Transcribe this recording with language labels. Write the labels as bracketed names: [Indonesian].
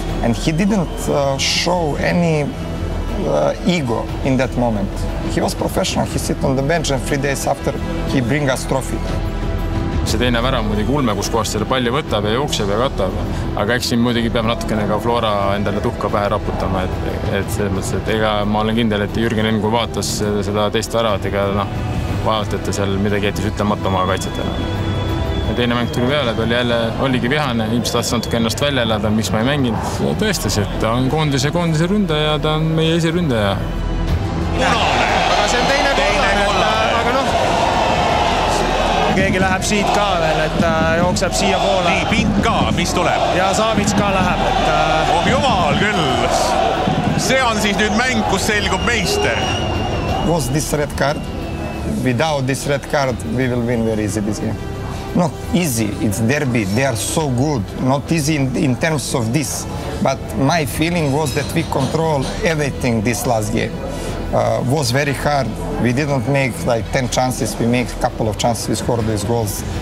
[English] And he didn't show any ego in that moment. He was professional. He sit on the bench and 3 days after he bring us trophy. [Estonian] See teine värav muidugi ulme, kus kohast selle palli võtab ja jookseb ja katab. Aga eks siin muidugi peab natukene ka Flora endale tuhka pähe raputama. Et selles mõttes, et ega ma olen kindel, et Jürgen Engu vaatas seda teist väravat. Vaevalt, et seal midagi jätis ütlemata oma kaitsetele. Ja teine mäng tuli peale, et oligi vihane. Ilmselt tahtis natuke ennast välja elada, miks ma ei mänginud. Ja tõestas, et ta on koondise ründaja ja ta on meie esiründaja. Punane! Aga see on teine kolla. Aga keegi läheb siit ka veel, et jookseb siia poole. Nii, pink ka, mis tuleb? Ja Savic ka läheb. Oh jumal küll! See on siis nüüd mäng, kus selgub meister. [English] Was this red card? Without this red card, we will win very easy this game. No, easy, it's derby, they are so good. Not easy in terms of this, but my feeling was that we control everything this last game. Was very hard, we didn't make like 10 chances, we made a couple of chances, we scored these goals.